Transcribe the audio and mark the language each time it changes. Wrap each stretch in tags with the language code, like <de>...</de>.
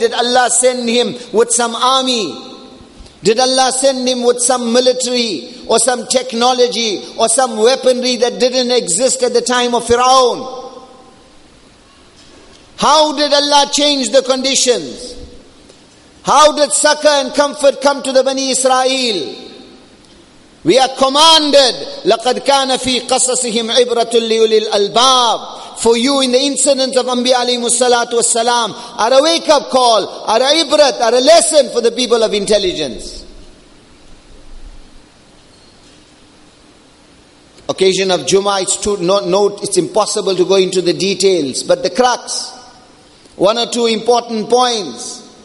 <en>Did Allah send him with some army? Did Allah send him with some military or some technology or some weaponry that didn't exist at the time of Fir'aun? How did Allah change the conditions? How did succor and comfort come to the Bani Israel? We are commanded,</en> <ar>لَقَدْ كَانَ فِي قَصَصِهِمْ عِبْرَةٌ لِيُولِي الْأَلْبَابِ.</ar> <en>For you in the incidents of Anbiya alayhi salatu wasalam are a wake-up call, are a ibrat, are a lesson for the people of intelligence. Occasion of Jummah, it's impossible to go into the details, but the crux, one or two important points.</en>